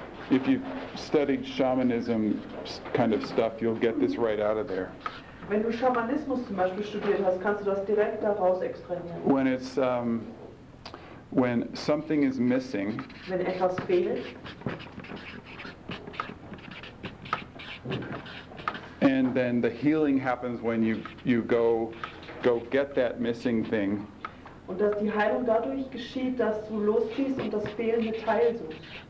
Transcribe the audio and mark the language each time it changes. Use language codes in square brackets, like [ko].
[en] If you've studied shamanism kind of stuff, you'll get this right out of there. [de] Wenn du Schamanismus zum Beispiel studiert hast, kannst du das direkt daraus extrahieren. [en] When it's when something is missing. [de] Wenn etwas fehlt. [en] And then the healing happens when you go get that missing thing. [de] Und dass die Heilung dadurch geschieht, dass du losziehst und das fehlende Teil suchst.